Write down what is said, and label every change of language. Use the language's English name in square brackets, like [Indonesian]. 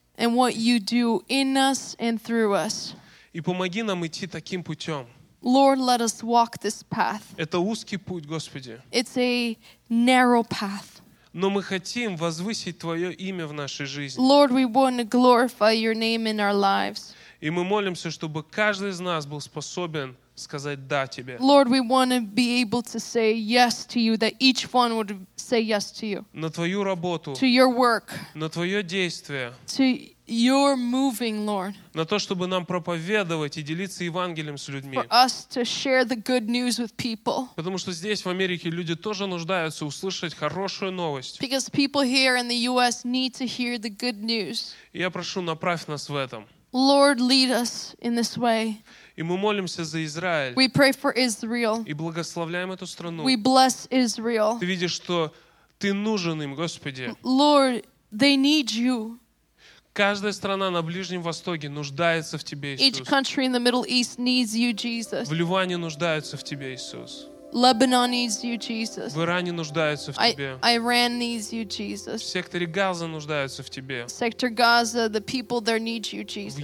[English] and what you do in us and through us. [Russian] И помоги нам идти таким путем. [English] Lord, let us walk this path. [Russian] Это узкий путь, Господи. [English] It's a narrow path. [Russian] Но мы хотим возвысить Твое имя в нашей жизни. [English] Lord, we want to glorify your name in our lives. [Russian] И мы молимся, чтобы каждый из нас был способен сказать «да» Тебе. [English] Lord, we want to be able to say yes to you, that each one would say yes to you. [Russian] На Твою работу. [English] To your work. [Russian] На Твое действие. [English] To your moving, Lord. [Russian] На то, чтобы нам проповедовать и делиться Евангелием с людьми. [English] For us to share the good news with people. [Russian] Потому что здесь, в Америке, люди тоже нуждаются услышать хорошую новость. [English] Because people here in the U.S. need to hear the good news. [Russian] И я прошу, направь нас в этом. [English] Lord, lead us in this way. [Russian] И мы молимся за Израиль. [English] We pray for Israel. [Russian] И благословляем эту страну. [English] We bless Israel. [Russian] Ты видишь, что ты нужен им, Господи. [English] Lord, they need you. [Russian] Каждая страна на Ближнем Востоке нуждается в Тебе, Иисус. [English] Each country in the Middle East needs you, Jesus. [Russian] В Ливане нуждаются в Тебе, Иисус. [English] Lebanon needs you, Jesus. [Russian] В Иране нуждаются в тебе. [English] Iran needs you, Jesus. [Russian] В секторе Газа нуждаются в тебе. [English] Sector Gaza, the people there need you, Jesus.